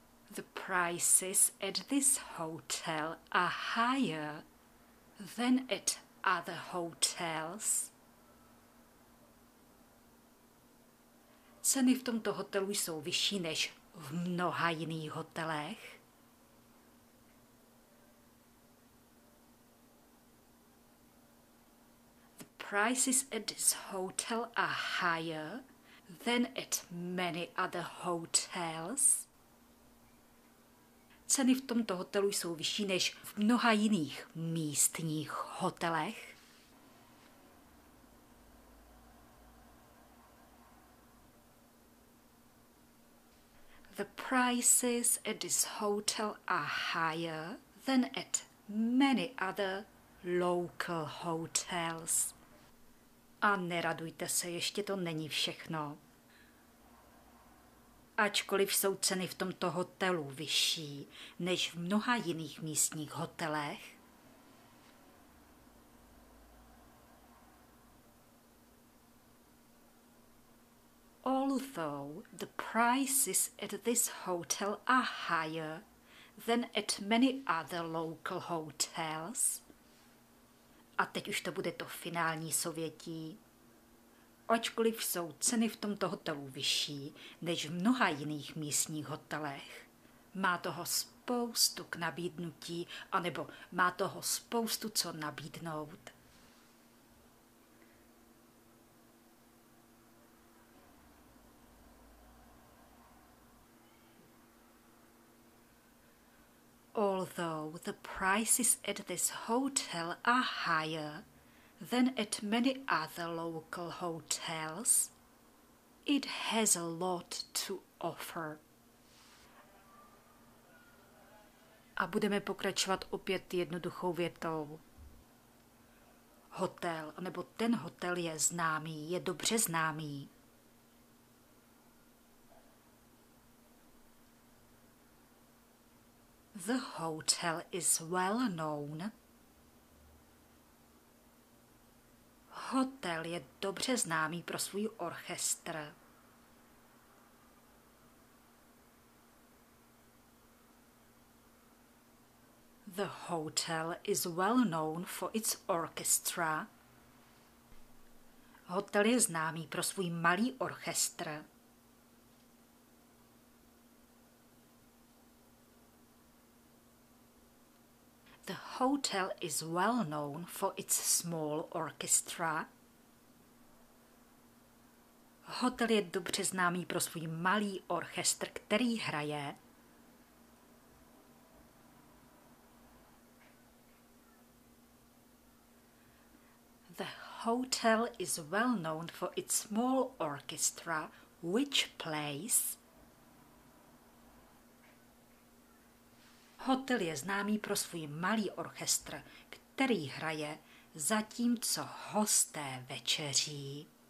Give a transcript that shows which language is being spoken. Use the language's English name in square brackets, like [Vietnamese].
[English] The prices at this hotel are higher than at other hotels. [Czech] Ceny v tomto hotelu jsou vyšší než v mnoha jiných hotelech. [English] Prices at this hotel are higher than at many other hotels. [Czech] Ceny v tomto hotelu jsou vyšší než v mnoha jiných místních hotelech. [English] The prices at this hotel are higher than at many other local hotels. [Czech] A neradujte se, ještě to není všechno. Ačkoliv jsou ceny v tomto hotelu vyšší než v mnoha jiných místních hotelech. [English] Although the prices at this hotel are higher than at many other local hotels. [Czech] A teď už to bude to finální souvětí. Ačkoliv jsou ceny v tomto hotelu vyšší než v mnoha jiných místních hotelech, má toho spoustu k nabídnutí, anebo má toho spoustu co nabídnout. [English] Although the prices at this hotel are higher than at many other local hotels, it has a lot to offer. [Czech] A budeme pokračovat opět jednoduchou větou. Hotel, nebo ten hotel je známý, je dobře známý. [English] The hotel is well known. [Czech] Hotel je dobře známý pro svůj orchestr. [English] The hotel is well known for its orchestra. [Czech] Hotel je známý pro svůj malý orchestr. [English] The hotel is well known for its small orchestra. [Czech] Hotel je dobře známý pro svůj malý orchestr, který hraje. [English] The hotel is well known for its small orchestra, which plays. [Czech] Hotel je známý pro svůj malý orchestr, který hraje, zatímco hosté večeří.